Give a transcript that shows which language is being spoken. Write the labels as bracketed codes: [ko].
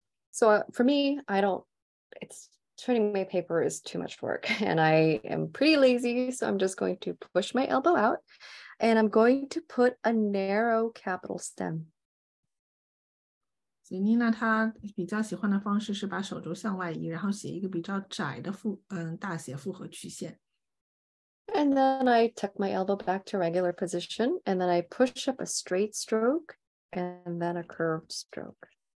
[en] so for me, it's turning my paper is too much work, and I am pretty lazy, so I'm just going to push my elbow out, and I'm going to put a narrow capital stem. [zh] 所以妮娜她比较喜欢的方式是把手肘向外移，然后写一个比较窄的大写复合曲线。 [en] And then I tuck my elbow back to regular position, and then I push up a straight stroke, and then a curved stroke.